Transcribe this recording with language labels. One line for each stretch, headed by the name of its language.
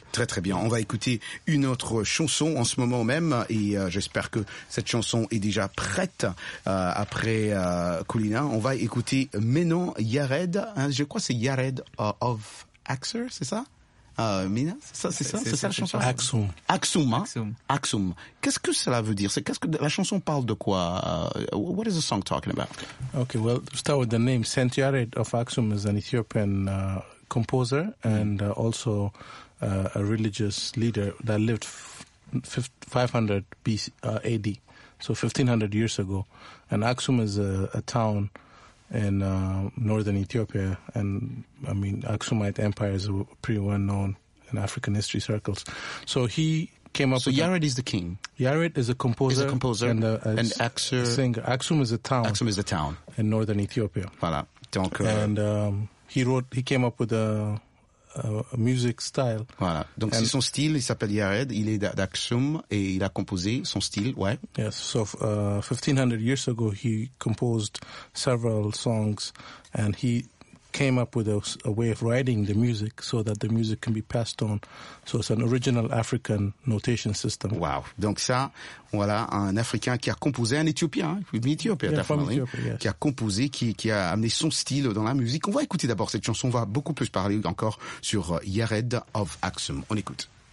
French: Très très bien. On va écouter une autre chanson en ce moment même et j'espère que cette chanson est déjà prête après Kulina. On va écouter Menon Yared. Hein, je crois que c'est Yared of Axer, c'est ça? Mina, c'est ça la chanson. Aksum. Qu'est-ce que cela veut dire? Qu'est-ce que la chanson parle de quoi?
English: What is the song talking about? Okay, well, start with the name. Saint Yared of Aksum is an Ethiopian composer and also a religious leader that lived 500 AD, so 1500 years ago. And Aksum is a town in northern Ethiopia, and I mean, Aksumite Empire is pretty well known in African history circles. So he came up. So Yared is the king. Yared is a composer. Is a composer and an Aksum singer. Aksum is a town. Aksum is a town in northern Ethiopia.
French: Voilà. Donc,
English: and he came up with a music style.
French: Voilà. Donc c'est son style. Il s'appelle Yared. Il est d'Aksum et il a composé son style. Ouais.
English: Yes. So 1500 years ago, he composed several songs, and he came up with a way of writing the music so that the music can be passed on. So it's an original African notation system. Wow.
French: Donc ça, voilà, un Africain qui a composé, un Éthiopien, hein,
English: from Ethiopia, yeah, from Ethiopia, yes.
French: Qui a composé, qui a amené son style dans la musique. On va écouter d'abord cette chanson. On va beaucoup plus parler encore sur Yared of Aksum. On écoute.